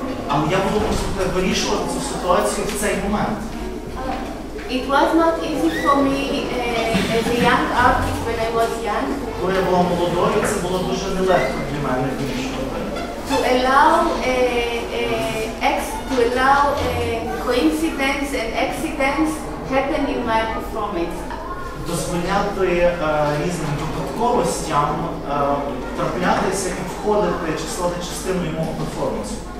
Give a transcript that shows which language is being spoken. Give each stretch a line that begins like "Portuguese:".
Ukrainian: Але я буду просто вирішувати цю ситуацію в цей момент.
English: It was not easy for me as a young artist when I was young.
Ukrainian: Коли я була молодою, це було дуже нелегко для мене вирішувати.
English: To allow coincidence and accidents happen in my performance.
Ukrainian: Дозволяти різним випадковостям траплятися і входити стати частиною мого перформансу.